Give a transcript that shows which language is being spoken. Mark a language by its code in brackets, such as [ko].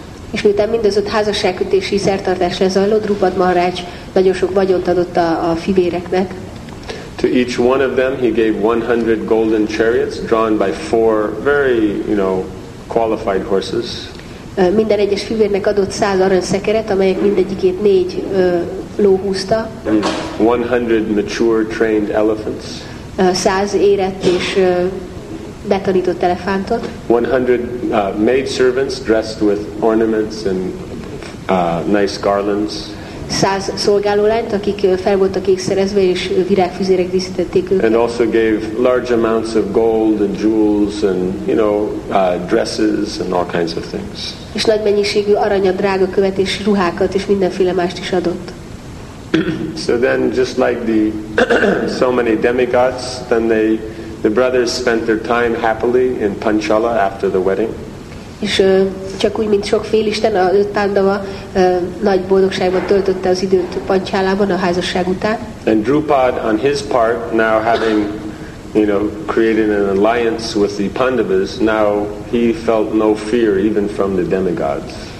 [hu] És miután mindez ott házasságkötési szertartás lezajlott, Drupad Maharaj nagyon sok vagyont adott a fivéreknek. [en] To To each one of them he gave 100 golden chariots drawn by 4 very, you know, qualified horses. [hu] Minden egyes fivérnek adott 100 aranyszekeret, amelyek mindegyikét 4 ló húzta. [en] 100 mature trained elephants. [hu] 100 érett és betanított elefántot. [en] 100 maid servants dressed with ornaments and nice garlands. [hu] 100 szolgálólányt, akik fel voltak ékszerezve és virágfüzérek díszítették őket. [en] And also gave large amounts of gold and jewels and, you know, dresses and all kinds of things. [hu] És nagy mennyiségű aranyat, drága követ és ruhákat és mindenféle mást is adott. [en] So then, just like the so many demigods, then the brothers spent their time happily in Panchala after the wedding. [hu] És csak úgy, mint sok félisten, a Tandava nagy boldogságban töltötte az időt Panchalában a házasság után. [en] And Drupad, on his part, now having, you know, created an alliance with the Pandavas, now he felt no fear even from the demigods.